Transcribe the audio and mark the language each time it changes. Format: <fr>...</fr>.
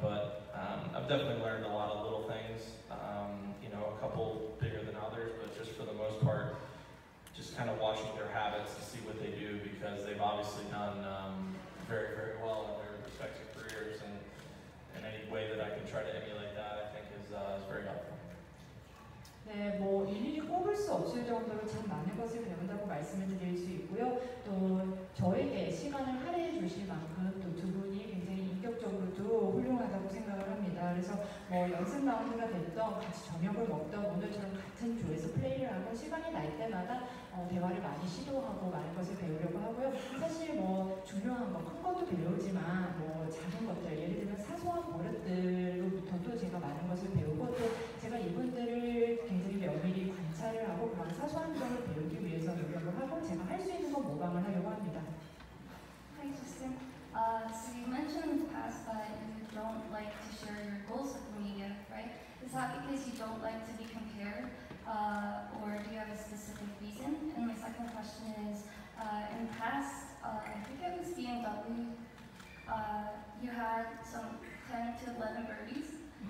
<en>But I've definitely learned a lot of little things, you know, a couple bigger than others, but just for the most part, just kind of watching their habits to see what they do because they've obviously done very, very well in their respective careers. And any way that I can try to emulate that, I think is very helpful.</en> <ko>네, 뭐 일일이 꼽을 수 없을 정도로 참 많은 것을 배운다고 말씀을 드릴 수 있고요. 또 저에게 시간을 할애해 주실 만큼 또 두 분이 굉장히 인격적으로도 훌륭하다고 생각을 합니다. 그래서 뭐 연습 라운드가 됐던 같이 저녁을 먹던 오늘처럼 같은 조에서 플레이를 하고 시간이 날 때마다 대화를 많이 시도하고 많은 것을 배우려고 하고요. 사실 뭐 중요한 거, 큰 것도 배우지만 뭐 작은 것들, 예를 들면 사소한 버릇들로부터도 제가 많은 것을 배우고 또 제가 이분들을 굉장히 면밀히 관찰을 하고 그런 사소한 점을 배우기 위해서 노력을 하고 제가 할 수 있는 건 모방을 하려고 합니다.</ko> <en>Hi, Justin. So you mentioned in the past that you don't like to share your goals with the media, right? Is that because you don't like to be compared, or do you have a specific reason? And my second question is, in the past, I think it was BMW, you had some 10 to 11 birdies.</en>